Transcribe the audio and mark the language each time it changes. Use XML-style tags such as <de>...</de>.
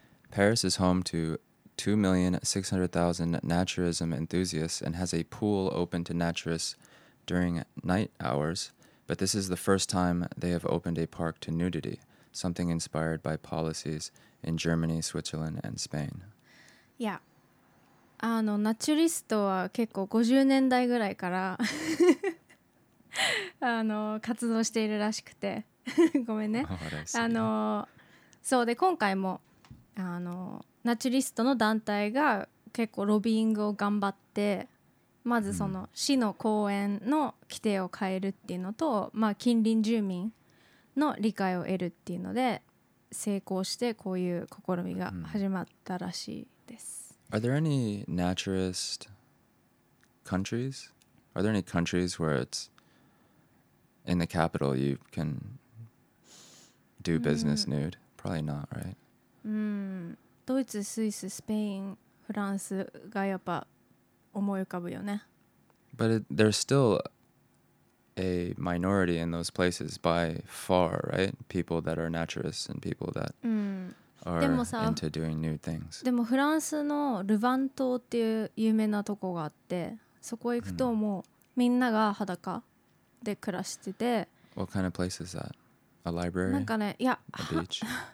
<en>Paris is home to 2,600,000 naturism enthusiasts and has a pool open to naturists during night hours, but this is the first time they have opened a park to nudity, something inspired by policies in Germany, Switzerland, and Spain. Yeah.</en> <ja>あのナチュリストは結構50年代ぐらいからあの活動しているらしくてごめんね。あのそうで、今回もあのナチュリストの団体が結構ロビーイングを頑張って、まずその市の公園の規定を変えるっていうのと、まあ、近隣住民の理解を得るっていうので成功して、こういう試みが始まったらしいです。</ja> <en>Are there any naturist countries? Are there any countries where it's in the capital you can do business nude? Probably not, right?</en> <ja>ドイツ、スイス、スペイン、フランスがやっぱ思い浮かぶよね。</ja> <en>But there's still a minority in those places by far, right? People that are naturists and people that...</en> <ja>でもさ、でもフランスのルヴァン島っていう有名なとこがあって、そこ行くともうみんなが裸で暮らしてて、</ja> <en>What kind of place is that? A library?</en> <ja>なんかね、いや、</ja> <en>A beach?</en>